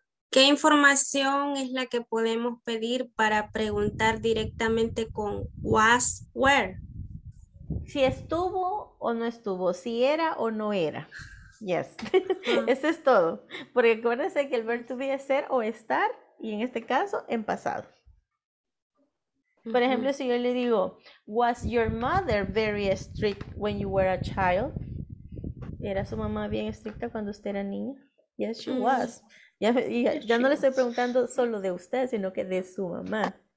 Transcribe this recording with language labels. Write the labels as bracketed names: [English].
[Spanish] ¿Qué información es la que podemos pedir para preguntar directamente con was, where? Si estuvo o no estuvo, si era o no era. Yes. Eso es todo. Porque acuérdense que el verbo to be es ser o estar, y en este caso, en pasado. Por ejemplo, si yo le digo, [English] was your mother very strict when you were a child? [Spanish] ¿Era su mamá bien estricta cuando usted era niña? [English] Yes, she was. [Spanish] Ya no le estoy preguntando solo de usted, sino que de su mamá.